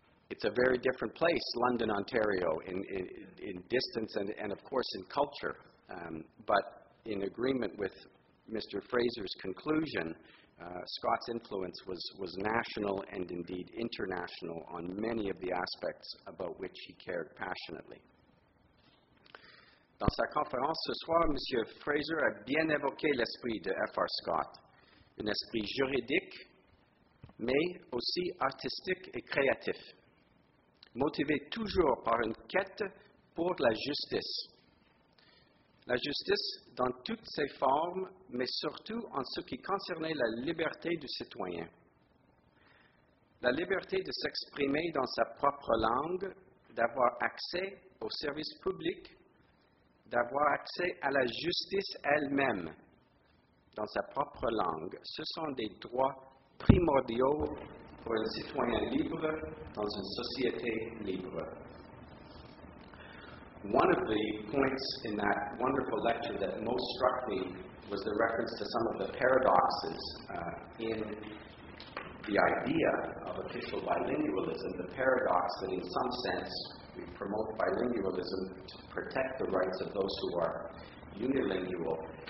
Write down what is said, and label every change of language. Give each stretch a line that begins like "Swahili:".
English: It's a very different place, London, Ontario, in distance and of course in culture. But in agreement with Mr. Fraser's conclusion, Scott's influence was national and indeed international on many of the aspects about which he cared passionately.
French: Dans sa conférence ce soir, M. Fraser a bien évoqué l'esprit de F.R. Scott, un esprit juridique, mais aussi artistique et créatif, motivé toujours par une quête pour la justice. La justice dans toutes ses formes, mais surtout en ce qui concernait la liberté du citoyen. La liberté de s'exprimer dans sa propre langue, d'avoir accès aux services publics, d'avoir accès à la justice elle-même dans sa propre langue. Ce sont des droits primordiaux pour un citoyen libre dans une société libre.
English: One of the points in that wonderful lecture that most struck me was the reference to some of the paradoxes in the idea of official bilingualism, the paradox that in some sense we promote bilingualism to protect the rights of those who are unilingual.